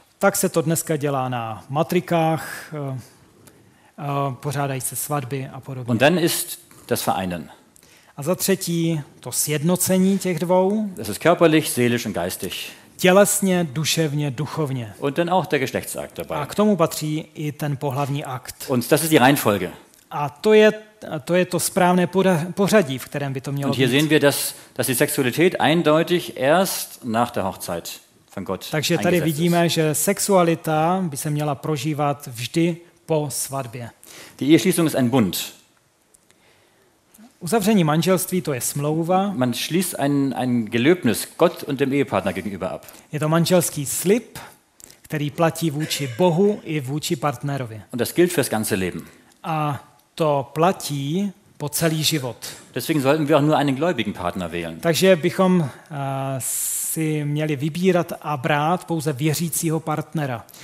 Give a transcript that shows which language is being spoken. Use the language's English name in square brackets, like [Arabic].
[Czech] Tak se to dneska dělá na matrikách, pořádají se svatby a podobně. [German] Und dann ist das Vereinen. [Czech] A za třetí, to sjednocení těch dvou. [German] Das ist körperlich, seelisch und geistig. [Czech] tělesně, duševně, duchovně. [German] Und dann auch der Geschlechtsakt dabei. [Czech] A k tomu patří i ten pohlavní akt. [German] Und das ist die Reihenfolge. [Czech] A to je to správné pořadí, v kterém by to mělo být. [German] Und hier sehen wir, dass die Sexualität eindeutig erst nach der Hochzeit von Gott. [Czech] Takže tady vidíme, že sexualita by se měla prožívat vždy po svatbě. [German] Die Eheschließung ist ein Bund. [Czech] Uzavření manželství, to je smlouva. [German] Man schließt ein Gelöbnis Gott und dem Ehepartner gegenüber ab. [Czech] Je to manželský slib, který platí vůči Bohu i vůči partnerovi. [German] Und das gilt fürs ganze Leben. [Czech] A to platí po celý život. [German] Deswegen sollten wir auch nur einen gläubigen Partner wählen. [Czech] Takže bychom si měli vybírat a brát pouze věřícího partnera.